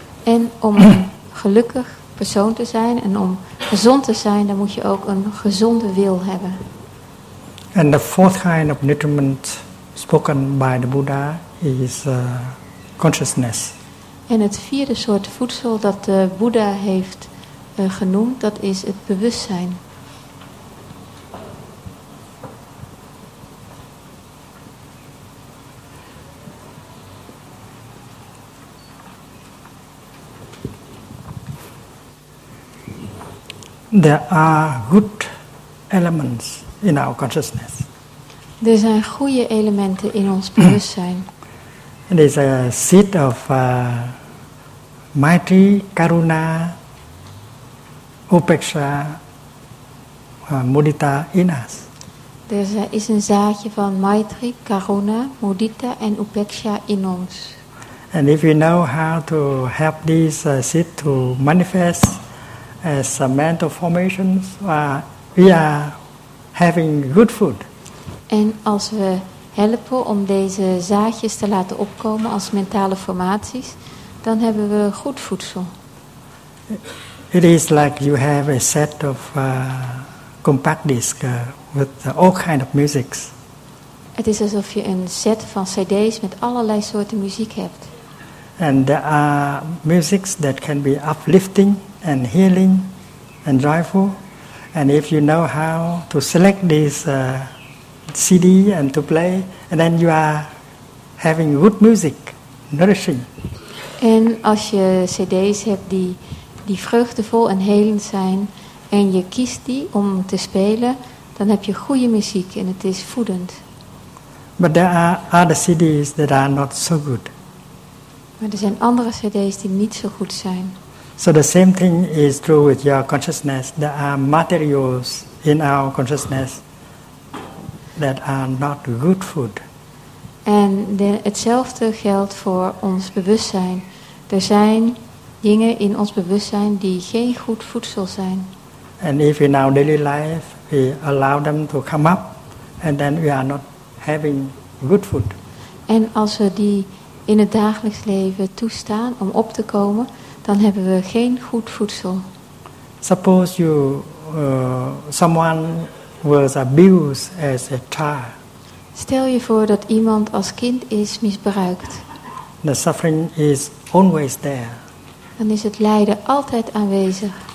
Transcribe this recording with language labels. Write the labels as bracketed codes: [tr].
[nl] En om een gelukkig persoon te zijn en om gezond te zijn, dan moet je ook een gezonde wil hebben. [en] And the fourth kind of nutriment spoken by the Buddha is consciousness. [nl] En het vierde soort voedsel dat de Boeddha heeft genoemd, dat is het bewustzijn. [en] There are good elements in our consciousness. [nl] Er zijn goede elementen in ons bewustzijn. [en] It is a seat of maitri, karuna, upeksha, mudita in us. [nl] Er is een zaadje van maitri, karuna, mudita en upeksha in ons. [en] And if we know how to help this seed to manifest as mental formations, we are having good food. [nl] En als we helpen om deze zaadjes te laten opkomen als mentale formaties, dan hebben we goed voedsel. [en] It is like you have a set of compact disc with all kind of music. [nl] Het is alsof je een set van CD's met allerlei soorten muziek hebt. [en] And there are music that can be uplifting and healing and joyful. And if you know how to select this CD and to play, and then you are having good music, nourishing. [nl] En als je cd's hebt die vreugdevol en helend zijn en je kiest die om te spelen, dan heb je goede muziek en het is voedend. [en] But there are other cd's that are not so good. [nl] Maar er zijn andere cd's die niet zo goed zijn. [en] So the same thing is true with your consciousness. There are materials in our consciousness that are not good food. [nl] En hetzelfde geldt voor ons bewustzijn. Er zijn dingen in ons bewustzijn die geen goed voedsel zijn. [en] And if in our daily life we allow them to come up, and then we are not having good food. [nl] En als we die in het dagelijks leven toestaan om op te komen, dan hebben we geen goed voedsel. [en] Suppose you someone was abused as a child. [nl] Stel je voor dat iemand als kind is misbruikt. [en] The suffering is always there. [nl] Dan is het lijden altijd aanwezig.